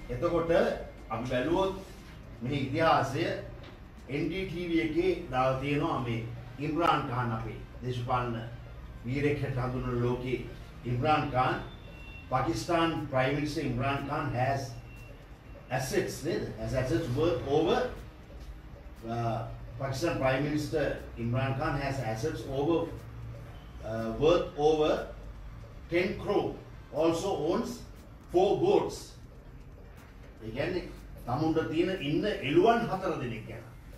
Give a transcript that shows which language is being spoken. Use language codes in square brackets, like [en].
[si] එතකොට අපි බැලුවොත් මේ ඉතිහාසය NDTV එකේ දාලා තියෙනවා මේ ඉම්රාන් ඛාන් අපේ දේශපාලන වීරයෙක් හඳුනන ලෝකේ Imran Khan Pakistan prime minister Imran Khan [en] has assets [si] නේද? [en] has assets worth over Pakistan Prime Minister Imran Khan has assets over worth over 10 crore. Also owns 4 boats. [si] ඒ කියන්නේ තමුන්ට තියෙන ඉන්න එළුවන් 4 දෙනෙක් යනවා.